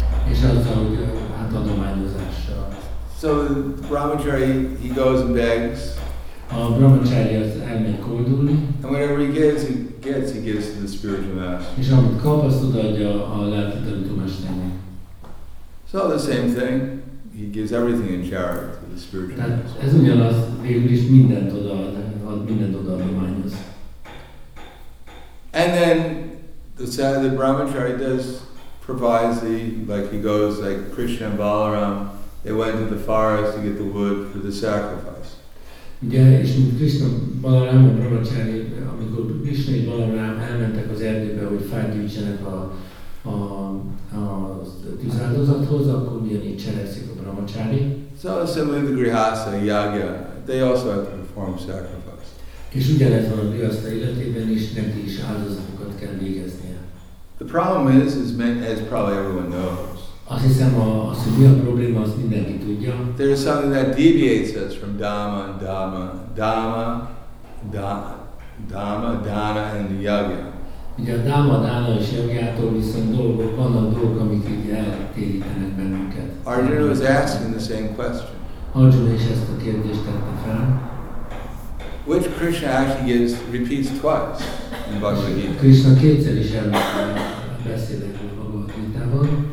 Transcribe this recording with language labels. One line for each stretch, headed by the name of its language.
Hungarian: És az, hogy hát adományozással.
English: So the brahmachari, he goes and begs.
Hungarian: A brahmachari az elmegy kódulni.
English: And whatever he gets to the spiritual master.
Hungarian: És amit kap, azt odaadja a lelki tanító mesternek.
English: So the same thing, he gives everything in charity to the spiritual master.
Hungarian: Ez ugyanaz, végül is mindent odaad, mindent oda adományoz.
English: And then the brahmachari does provides the, like he goes, like Krishna and Balaram, they went to the forest to get the wood for the sacrifice.
Hungarian: Ugye, és Krishna, Balaram, a brahmachari, amikor Krishna és Balaram elmentek az erdőbe, hogy felgyűjtsenek a tűzáldozathoz, akkor ugyanígy cselekszik a brahmachari.
English: So similarly the grihastha, yagya, they also have to perform sacrifice.
Hungarian: És ugyanez van a grihastha életében is, neki is áldozatokat kell végeznie.
English: The problem is, as probably everyone knows.
Hungarian: Azt hiszem, az, hogy mi a probléma, azt mindenki tudja.
English: There is something that deviates us from dhamma, dhamma, dhamma, dhamma, dhana and yagya.
Hungarian: Ugye a dhamma, dhana és yagyától viszont dolgok, vannak dolgok, amik így eltérítenek bennünket.
English: Arjuna was asking the same question.
Hungarian: Arjuna is ezt a kérdést tette fel.
English: Which Krishna actually repeats twice in Bhagavad Gita.
Hungarian: Krishna kétszer is elbeszélek a Bhagavad Gita-ban.